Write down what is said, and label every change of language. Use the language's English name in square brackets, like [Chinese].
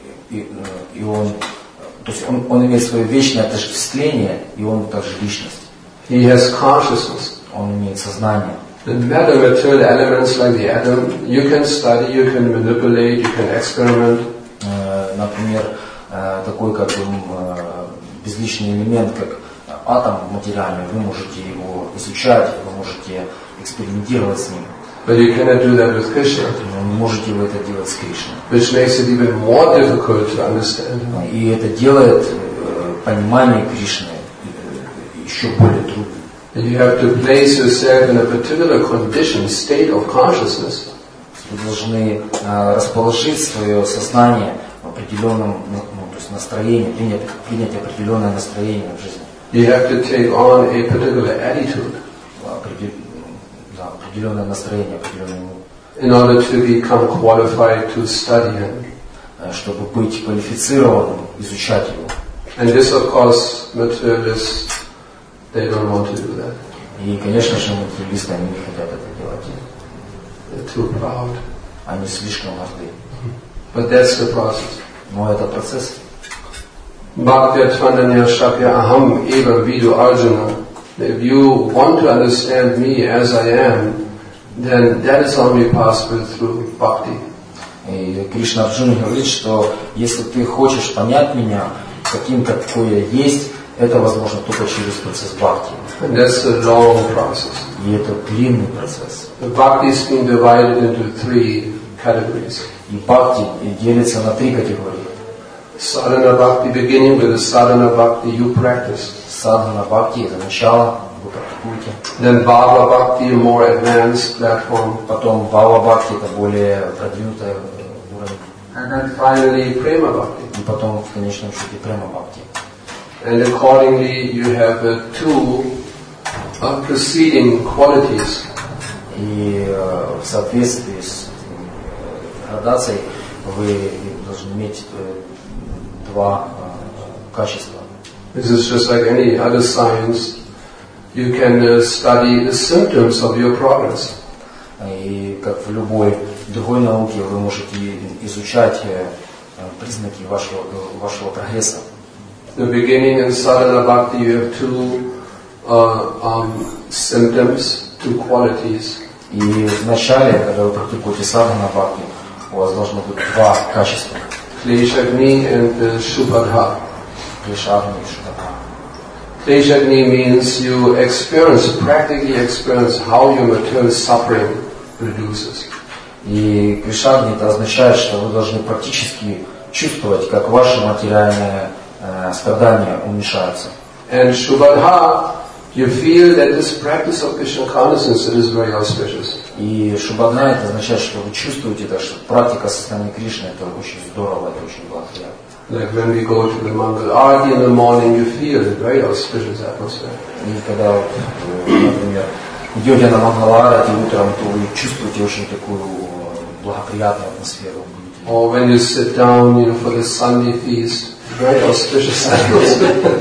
[Russian] И он, то есть он имеет свое вечное отождествление, и он также личность. [English] He has consciousness. [Russian] Он имеет сознание. [English] And matter, material elements like the atom, you can study, you can manipulate, you can experiment. [Russian] Например, такой как безличный элемент, как атом материальный, вы можете его изучать, вы можете экспериментировать с ним. [English] But you cannot do that with Krishna. [Russian] Не можете вы это делать с Кришной. [English] Which makes it even more difficult to understand. [Russian] И это делает понимание Кришны еще более трудным. [English] And you have to place yourself in a particular condition, state of consciousness. [Russian] Вы должны расположить свое сознание в определенном, то есть настроении, принять определенное настроение в жизни. [English] You have to take on a particular attitude. [Russian] Определенное настроение, определенное. [English] In order to become qualified to study him. [Russian] Чтобы быть квалифицированным, изучать его. [English] And this, of course, materialists, they don't want to do that. [Russian] И, конечно же, материалисты, они не хотят это делать. [English] They're too proud. [Russian] Они слишком горды. [English] But that's the process. [Russian] Но это процесс. [Sanskrit] Bhaktya Tvandanya Shapya Aham Eva Vidu Arjuna. [English] If you want to understand me as I am, then that is only possible through bhakti. [Russian] И Кришна Арджуна говорит, что если ты хочешь понять меня каким, какой я есть, это возможно только через процесс бхакти. [English] And that's a long process. [Russian] И это длинный процесс. [English] The bhakti is being divided into 3 categories. [Russian] И бхакти делится на 3 категории. [English] Sadhana bhakti, beginning with the sadhana bhakti you practice. [Russian] Sadhana bhakti, это начало, вы практикуете. [English] Then bhava bhakti, more advanced platform. [Russian] Потом bhava bhakti, это более продвинутая уровень. [English] And then finally prema bhakti. [Russian] И потом в конечном счете prema bhakti. [English] And accordingly you have 2 preceding qualities. [Russian] И в соответствии с градацией вы должны иметь 2 качества. [English] This is just like any other science. You can study the symptoms of your progress. [Russian] И как в любой другой науке вы можете изучать признаки вашего прогресса. [English] The beginning in sadhana bhakti you have two symptoms, two qualities. [Russian] И в начале, когда вы практикуете садхана бхакти, у вас должно быть два качества. [Sanskrit] Клешагни и шупадха. Клешагни и шупадха. [English] Клешагни means you experience, practically experience how your material suffering reduces. [Russian] И клешагни это означает, что вы должны практически чувствовать, как ваше материальное страдание уменьшается. [English] And шупадха. You feel that this practice of Krishna consciousness is very auspicious. [Russian] И шубадха это означает, что вы чувствуете, так что практика сознания Кришны это очень здорово, это очень благоприятно. [English] Like when we go to the Mangal Aarti in the morning, you feel a very auspicious atmosphere. [Russian] И когда, например, идете на Мангал Аарти утром, то вы чувствуете очень такую благоприятную атмосферу. [English] Or when you sit down, you know, for the Sunday feast, very auspicious atmosphere.